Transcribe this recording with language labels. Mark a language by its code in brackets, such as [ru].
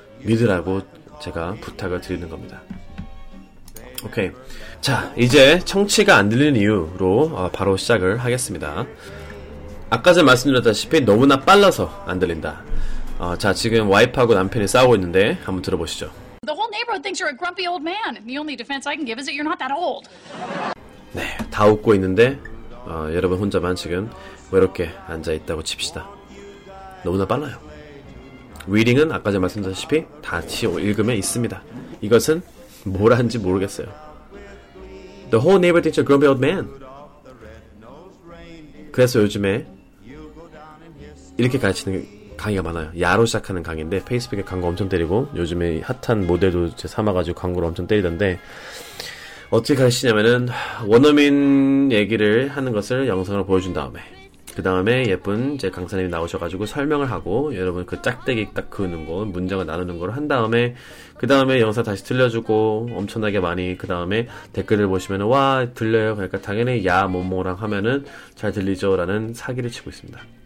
[ko] 믿으라고 제가 부탁을 드리는 겁니다. 오케이. 자, 이제 청취가 안 들리는 이유로 바로 시작을 하겠습니다. 아까 전 말씀드렸다시피 너무나 빨라서 안 들린다. 자, 지금 와이프하고 남편이 싸우고 있는데 한번 들어보시죠. [en] The whole neighborhood thinks you're a grumpy old man. The only defense I can give is that you're not that old. [ko] 네, 다 웃고 있는데 여러분 혼자만 지금 외롭게 앉아있다고 칩시다. 너무나 빨라요. 리딩은 아까 전 말씀드렸다시피 다시 읽으면 있습니다. 이것은 뭘 하는지 모르겠어요. [en] The whole neighborhood thinks you're a grumpy old man. [ko] 그래서 요즘에 이렇게 가르치는 강의가 많아요. 야로 시작하는 강의인데 페이스북에 광고 엄청 때리고 요즘에 핫한 모델도 삼아가지고 광고를 엄청 때리던데 어떻게 가르치냐면은 원어민 얘기를 하는 것을 영상으로 보여준 다음에 그 다음에 예쁜 제 강사님이 나오셔가지고 설명을 하고 여러분 그 짝대기 딱 그는 거 문장을 나누는 걸 한 다음에 그 다음에 영상 다시 들려주고 엄청나게 많이 그 다음에 댓글을 보시면 와 들려요 그러니까 당연히 야 뭐뭐랑 하면은 잘 들리죠 라는 사기를 치고 있습니다.